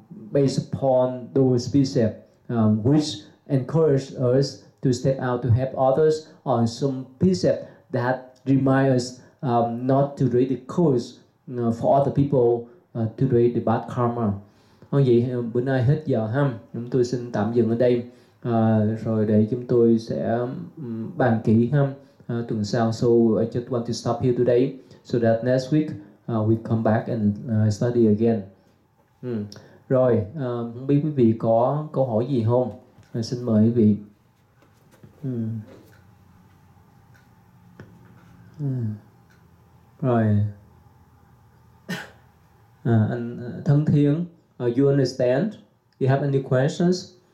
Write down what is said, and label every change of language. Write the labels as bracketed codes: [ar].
[en] based upon those precepts, which encourage us to step out to help others, on some precepts that remind us not to read the curse for other people, to read the bad karma. [vi] Thôi vậy, bữa nay hết giờ ha, chúng tôi xin tạm dừng ở đây. Rồi để chúng tôi sẽ bàn kỹ ha, tuần sau. [en] So I just want to stop here today, so that next week we come back and study again. [vi] Rồi, không biết quý vị có câu hỏi gì không? Xin mời quý vị. Rồi. [en] Anh thân thiện, you understand? You have any questions?